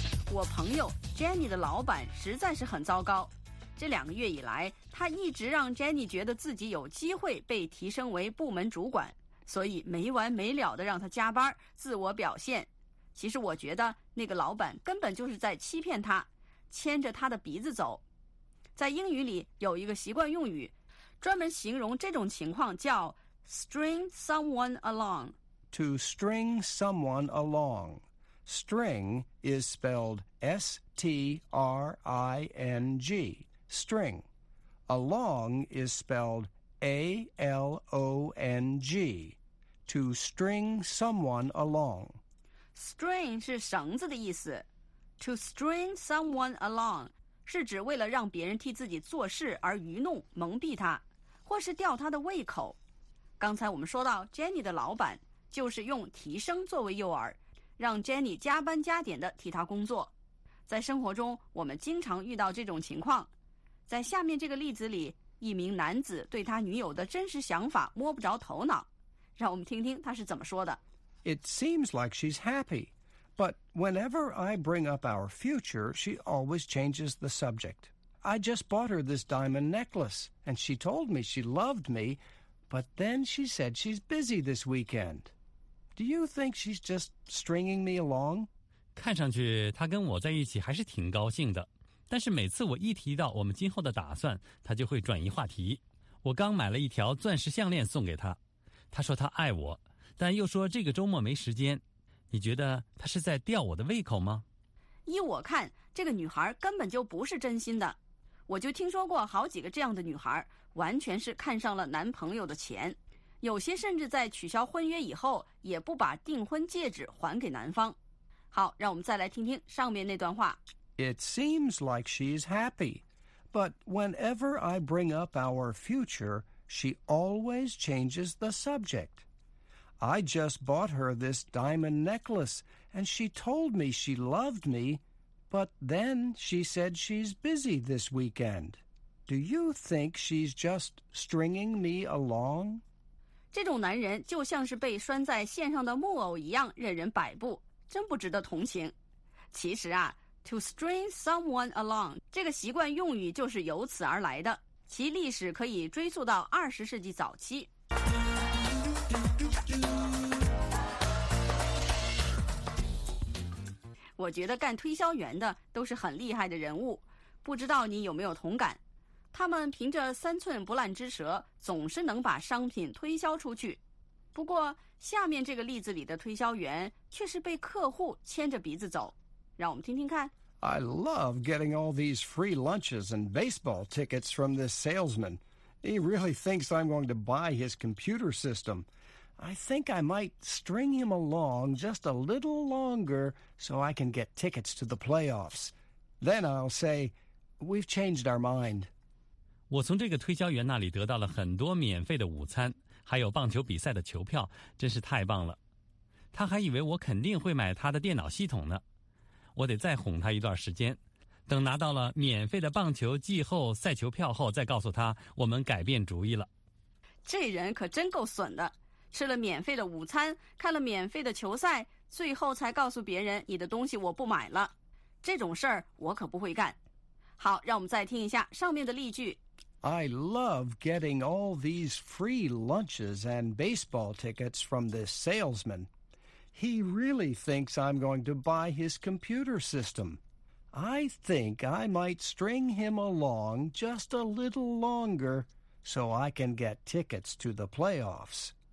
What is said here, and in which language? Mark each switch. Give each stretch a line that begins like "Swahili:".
Chinese: 我朋友 Jenny 的老板实在是很糟糕，这两个月以来，他一直让 Jenny 觉得自己有机会被提升为部门主管，所以没完没了的让他加班，自我表现。其实我觉得那个老板根本就是在欺骗他，牵着他的鼻子走。在英语里有一个习惯用语。专门形容这种情况叫 string someone along.
English: To string someone along. String is spelled S-T-R-I-N-G. String. Along is spelled A-L-O-N-G. To string someone along.
Chinese: String 是绳子的意思。To string someone along 是指为了让别人替自己做事而愚弄、蒙蔽他。或是吊他的胃口。刚才我们说到 Jenny 的老板就是用提升作为诱饵，让 Jenny 加班加点的替他工作。在生活中我们经常遇到这种情况。在下面这个例子里，一名男子对他女友的真实想法摸不着头脑，让我们听听他是怎么说的。
English: It seems like she's happy, but whenever I bring up our future, she always changes the subject. I just bought her this diamond necklace, and she told me she loved me, but then she said she's busy this weekend. Do you think she's just stringing me along?
Chinese: 看上去她跟我在一起还是挺高兴的，但是每次我一提到我们今后的打算，她就会转移话题。我刚买了一条钻石项链送给她，她说她爱我，但又说这个周末没时间。你觉得她是在吊我的胃口吗？依我看，这个女孩根本就不是真心的。我就听说过好几个这样的女孩，完全是看上了男朋友的钱，有些甚至在取消婚约以后也不把订婚戒指还给男方。好，让我们再来听听上面那段话。
English: It seems like she's happy, but whenever I bring up our future, she always changes the subject. I just bought her this diamond necklace, and she told me she loved me, but then she said she's busy this weekend. Do you think she's just stringing me along?
Chinese: 这种男人就像是被拴在线上的木偶一样任人摆布，真不值得同情。其实啊 ,to string someone along, 这个习惯用语就是由此而来的，其历史可以追溯到20世纪早期。我觉得干推销员的都是很厉害的人物，不知道你有没有同感。他们凭着三寸不烂之舌，总是能把商品推销出去。不过下面这个例子里的推销员却是被客户牵着鼻子走，让我们听听看。
English: I love getting all these free lunches and baseball tickets from this salesman. He really thinks I'm going to buy his computer system. I think I might string him along just a little longer so I can get tickets to the playoffs. Then I'll say, we've changed our mind.
Chinese: 我从这个推销员那里得到了很多免费的午餐，还有棒球比赛的球票，真是太棒了。他还以为我肯定会买他的电脑系统呢。我得再哄他一段时间，等拿到了免费的棒球季后赛球票后，再告诉他我们改变主意了。这人可真够损的，吃了免费的午餐，看了免费的球赛，最后才告诉别人你的东西我不买了。这种事儿我可不会干。好，让我们再听一下上面的例句。
English: I love getting all these free lunches and baseball tickets from this salesman. He really thinks I'm going to buy his computer system. I think I might string him along just a little longer so I can get tickets to the playoffs.